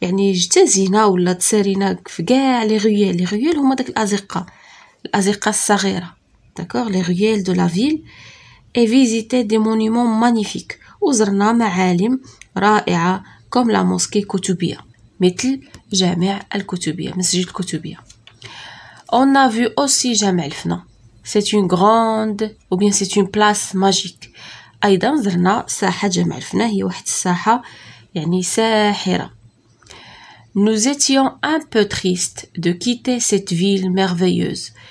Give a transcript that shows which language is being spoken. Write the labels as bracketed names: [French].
[Arabic] اجتازينا ولا تسارينا في كاع لي ريال لي ريال هما داك الأزقة الصغيرة داكور [French] لي ريال دو لا فيل et visiter des monuments magnifiques. [Arabic] وزرنا معالم رائعة [French] كم لا موسكي [Arabic] كتبية مثل جامع الكتبية مسجد الكتبية. [French] On a vu aussi جامع الفنا. C'est une grande ou bien c'est une place magique. [Arabic] أيضا زرنا ساحة جامع الفنا هي واحد الساحة يعني ساحرة. [French] Nous étions un peu tristes de quitter cette ville merveilleuse.